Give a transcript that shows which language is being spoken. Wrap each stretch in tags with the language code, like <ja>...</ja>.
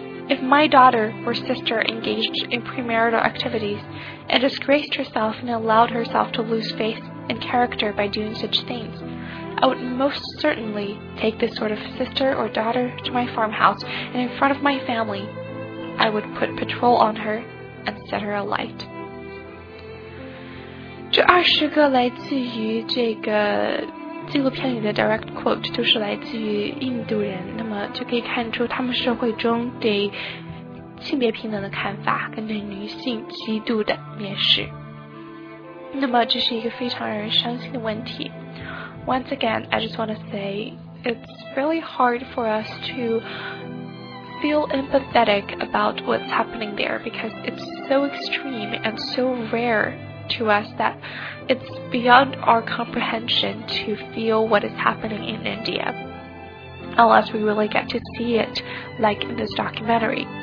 <en>If my daughter or sister engaged in premarital activities and disgraced herself and allowed herself to lose faith and character by doing such things, I would most certainly take this sort of sister or daughter to my farmhouse and in front of my family, I would put patrol on her and set her alight.</en> <zh>这二十个来自于这个纪录片里的</zh> <en>direct quote</en> <zh>都是来自于印度人，那么就可以看出他们社会中对性别平等的看法跟对女性极度的蔑视。那么这是一个非常让人伤心的问题。</zh> <en>Once again, I just want to say it's really hard for us to feel empathetic about what's happening there because it's so extreme and so rare to us that it's beyond our comprehension to feel what is happening in India unless we really get to see it like in this documentary.</en>